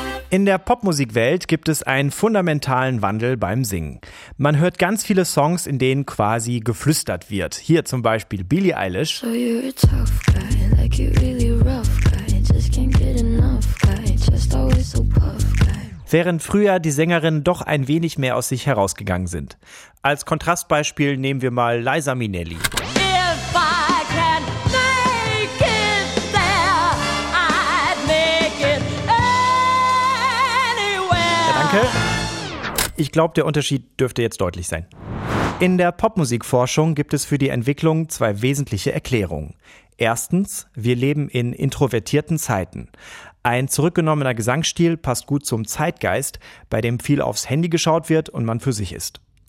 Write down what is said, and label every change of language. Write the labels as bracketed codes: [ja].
[de] In der Popmusikwelt gibt es einen fundamentalen Wandel beim Singen. Man hört ganz viele Songs, in denen quasi geflüstert wird. Hier zum Beispiel Billie Eilish. [en] So you're a tough guy, like you're really rough guy, just can't get enough guy, just always so puff. [de] Während früher die Sängerinnen doch ein wenig mehr aus sich herausgegangen sind. Als Kontrastbeispiel nehmen wir mal Liza Minnelli. [en] If I can make it there, I'd make it anywhere. [de] Ja, danke. Ich glaube, der Unterschied dürfte jetzt deutlich sein. In der Popmusikforschung gibt es für die Entwicklung zwei wesentliche Erklärungen. Erstens, wir leben in introvertierten Zeiten. Ein zurückgenommener Gesangsstil passt gut zum Zeitgeist, bei dem viel aufs Handy geschaut wird und man für sich ist.